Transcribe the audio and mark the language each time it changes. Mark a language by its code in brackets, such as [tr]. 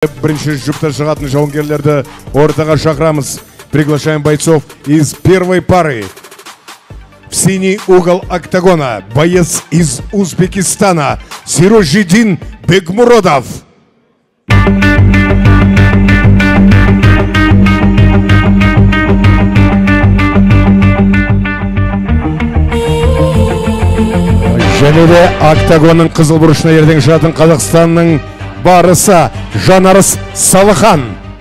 [kk] Бірінші жұпта шығатын жауынгерлерді ортаға шақырамыз. [ru] Приглашаем бойцов из первой пары. В синий угол октагона боец из Узбекистана Сирожидин Бекмуродов. [kk] Және де октагонның қызыл бұрышына ерден жатын Қазақстанның Барыса Жанарыс Салыхан.